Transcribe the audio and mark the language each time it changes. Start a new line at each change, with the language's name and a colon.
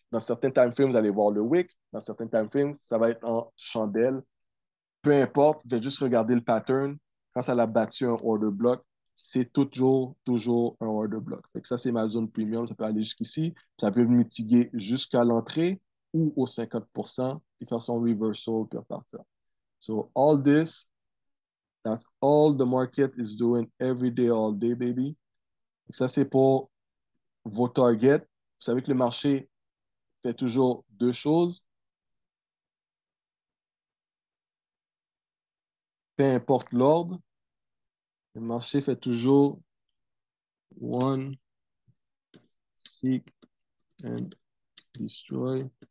French: Dans certains time frames, vous allez voir le wick. Dans certains time frames, ça va être en chandelle. Peu importe, vous allez juste regarder le pattern. Quand ça a battu un order block, c'est toujours, toujours un order block. Donc ça, c'est ma zone premium. Ça peut aller jusqu'ici. Ça peut mitiguer jusqu'à l'entrée ou au 50% et faire son reversal puis repartir.
English: So, all this, that's all the market is doing every day, all day, baby.
French: Ça, c'est pour vos targets. Vous savez que le marché fait toujours deux choses. Peu importe l'ordre, le marché fait toujours
English: one, seek and destroy.